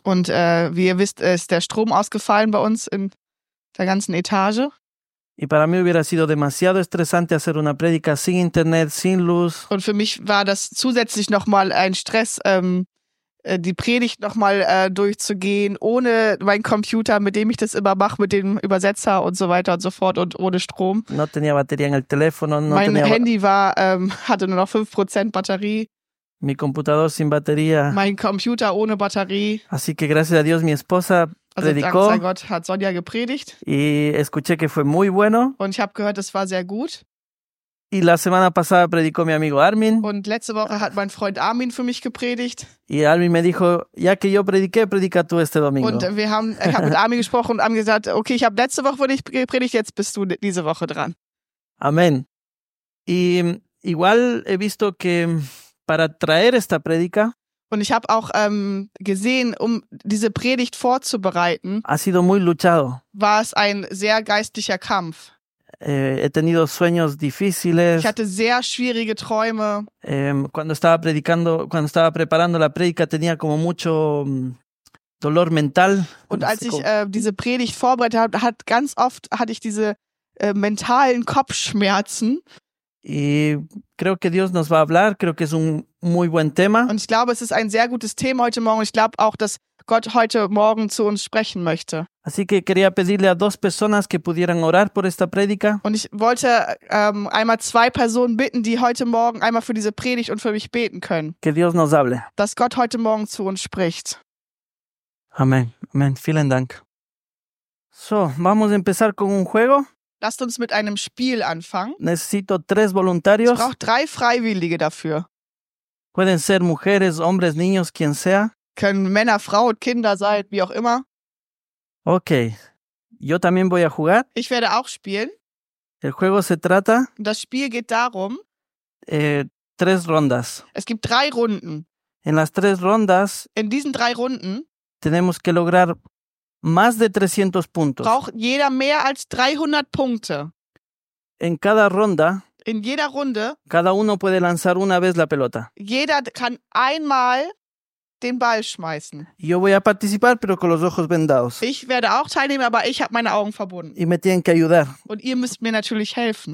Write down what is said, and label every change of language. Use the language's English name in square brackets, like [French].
[German] Und wie ihr wisst, ist der Strom ausgefallen bei uns in der ganzen Etage. [Spanish] Y para mí hubiera sido demasiado estresante hacer una predica sin internet, sin luz. [German] Und für mich war das zusätzlich nochmal ein Stress, die Predigt nochmal durchzugehen, ohne meinen Computer, mit dem ich das immer mache, mit dem Übersetzer und so weiter und so fort und ohne Strom. [Spanish] No tenía batería en el teléfono, no [German] mein tenía Handy hatte nur noch 5% Batterie. [Spanish] Mi computador sin batería. [German] Mein Computer ohne Batterie. [Spanish] Así que gracias a Dios, mi esposa predicó. [German] Also, dank sei Gott, hat Sonja gepredigt. [Spanish] Y escuché que fue muy bueno. [German] Und ich habe gehört, es war sehr gut. [Spanish] Y la semana pasada predicó mi amigo Armin. [German] Und letzte Woche hat mein Freund Armin für mich gepredigt. [Spanish] Y Armin me dijo, ya que yo prediqué, predica tú este domingo. [German] Und ich habe mit Armin gesprochen und Armin gesagt, okay, ich habe letzte Woche für dich gepredigt, jetzt bist du diese Woche dran. [Spanish] Amen. Y igual he visto que para traer esta predica. [German] Und ich habe auch gesehen, um diese Predigt vorzubereiten. [Spanish] Ha sido muy luchado. [German] War es ein sehr geistlicher Kampf. [Spanish] He tenido sueños difíciles. [German] Ich hatte sehr schwierige Träume. [Spanish] Cuando estaba preparando la predica, tenía como mucho dolor mental. [German] Und als ich diese Predigt vorbereitet habe, hatte ich diese mentalen Kopfschmerzen. [Spanish] Y creo que Dios nos va a hablar. Creo que es un muy buen tema. [German] Und ich glaube, es ist ein sehr gutes Thema heute Morgen. Ich glaube auch, dass Gott heute Morgen zu uns sprechen möchte. [Spanish] Así que quería pedirle a dos personas que pudieran orar por esta predica. [German] Und ich wollte einmal zwei Personen bitten, die heute Morgen einmal für diese Predigt und für mich beten können. [Spanish] Que Dios nos hable. [German] Dass Gott heute Morgen zu uns spricht. Amen. Amen. Vielen Dank. [Spanish] So, vamos a empezar con un juego. [German] Lasst uns mit einem Spiel anfangen. [Spanish] Necesito tres voluntarios. [German] Ich brauche 3 Freiwillige dafür. [Spanish] Pueden ser mujeres, hombres, niños, quien sea. [German] Können Männer, Frauen, Kinder sein, wie auch immer. [Spanish] Okay. Yo también voy a jugar. [German] Ich werde auch spielen. [Spanish] El juego se trata. [German] Das Spiel geht darum. [Spanish] Tres rondas. [German] Es gibt 3 Runden. [Spanish] En las tres rondas. [German] In diesen 3 Runden. [Spanish] Tenemos que lograr más de 300 puntos. [German] Braucht jeder mehr als 300 Punkte. [Spanish] En cada ronda. [German] In jeder Runde. [Spanish] Cada uno puede lanzar una vez la pelota. [German] Jeder kann einmal den Ball schmeißen. [Spanish] Yo voy a participar, pero con los ojos vendados. [German] Ich werde auch teilnehmen, aber ich habe meine Augen verbunden. [Spanish] Y me tienen que ayudar. [German] Und ihr müsst mir natürlich helfen.